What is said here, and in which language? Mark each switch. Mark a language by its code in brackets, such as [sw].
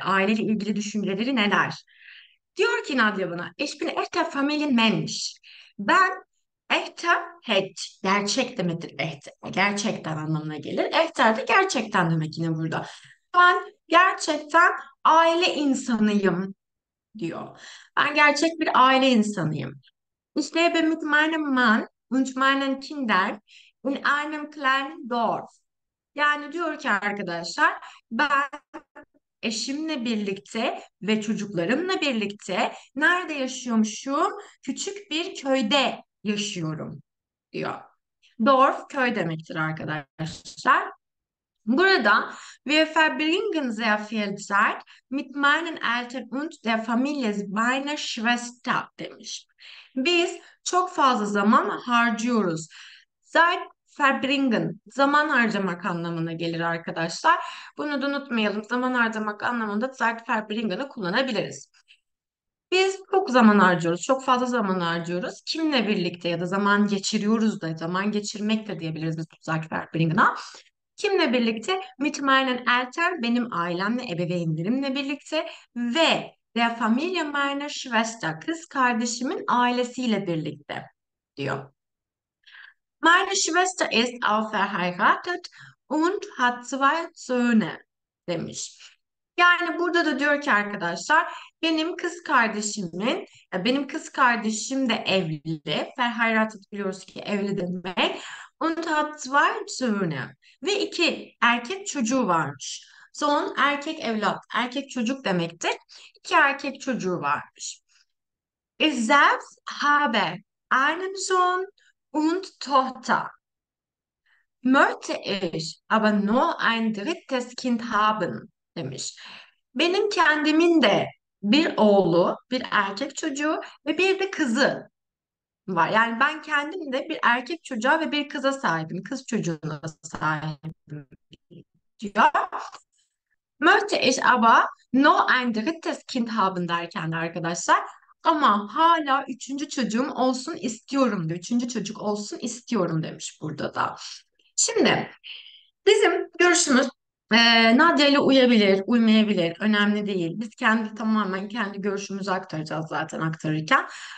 [tr] Aileyle ilgili düşünceleri neler? Diyor ki Nadia bana, [de] Ich bin echter Familienmensch. [tr] Ben echter, gerçek demektir echter. Gerçekten anlamına gelir. Echter de gerçekten demek yine burada. Ben gerçekten aile insanıyım diyor. Ben gerçek bir aile insanıyım. [de] Ich lebe mit meinem Mann und meinen Kindern in einem kleinen Dorf. [tr] Yani diyor ki arkadaşlar, ben eşimle birlikte ve çocuklarımla birlikte nerede yaşıyormuşum? Küçük bir köyde yaşıyorum diyor. Dorf köy demektir arkadaşlar. [de] Burada wir verbringen sehr viel Zeit mit meinen Eltern und der Familie meiner Schwester demiş. [tr] Biz çok fazla zaman harcıyoruz. Zeit verbringen, zaman harcamak anlamına gelir arkadaşlar. Bunu da unutmayalım. Zaman harcamak anlamında Zeit verbringen'ı kullanabiliriz. Biz çok zaman harcıyoruz, çok fazla zaman harcıyoruz. Kimle birlikte ya da zaman geçiriyoruz da, zaman geçirmek de diyebiliriz biz Zeit verbringen'a. Kimle birlikte? [de] Mit meinen Eltern, [tr] benim ailemle, ebeveynlerimle birlikte ve [de] der Familie meiner Schwester, [tr] kız kardeşimin ailesiyle birlikte diyor. [de] Meine Schwester ist auch verheiratet und hat zwei Söhne demiş. [tr] Yani burada da diyor ki arkadaşlar, benim kız kardeşim de evli. [de] Verheiratet [tr] biliyoruz ki evli demek. [de] Und hat zwei Söhne. [tr] Ve iki erkek çocuğu varmış. Son erkek evlat, erkek çocuk demektir. İki erkek çocuğu varmış. [de] Ich selbst habe einen Sohn und Tochter. Möchte ich aber nur ein drittes Kind haben, demiş. [tr] Benim kendimin de bir oğlu, bir erkek çocuğu ve bir de kızı var. Yani ben kendim de bir erkek çocuğa ve bir kıza sahibim. Kız çocuğuna sahibim diyor. [de] Möchte ich aber nur ein drittes Kind haben [tr] derken de arkadaşlar. Ama hala üçüncü çocuğum olsun istiyorum diyor. Üçüncü çocuk olsun istiyorum demiş burada da. Şimdi bizim görüşümüz Nadia ile uyabilir, uymayabilir. Önemli değil. Biz tamamen kendi görüşümüzü aktaracağız zaten aktarırken.